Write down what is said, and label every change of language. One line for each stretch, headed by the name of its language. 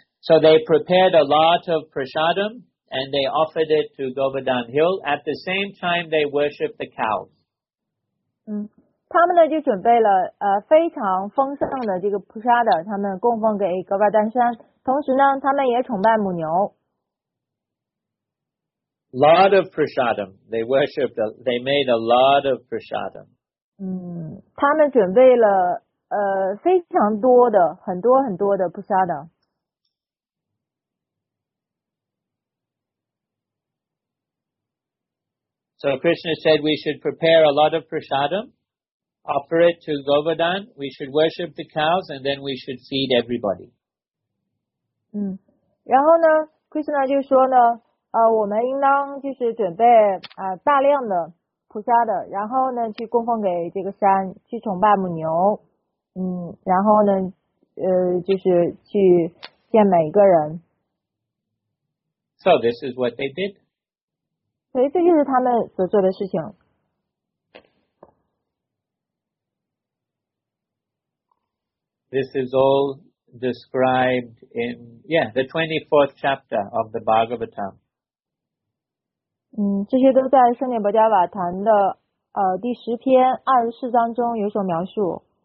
English: So they prepared a lot of prasadam. And they offered it to Govardhan Hill. At the same time, they worshipped the cows.
Chinese: 嗯，他们呢就准备了非常丰盛的这个普沙的，他们供奉给戈巴丹山，同时呢，他们也崇拜母牛。
English: Lot of prasadam. They worshipped. They made a lot of prasadam.
Chinese: 嗯，他们准备了非常多的很多很多的普沙的。
English: So Krishna said we should prepare a lot of prasadam, offer it to Govardhan, we should worship the cows, and then we should feed everybody.
Chinese: 嗯，然后呢 ，Krishna 就说呢，我们应当就是准备大量的菩萨的，然后呢去供奉给这个山，去崇拜母牛，嗯，然后呢，就是去见每一个人。
English: So this is what they did.
Chinese: 所以这就是他们所做的事情。
English: This is all described in, the 24th chapter of the Bhagavatam.
Chinese: 嗯，这些都在《圣涅薄伽瓦坛》的第十篇二十四章中有所描述。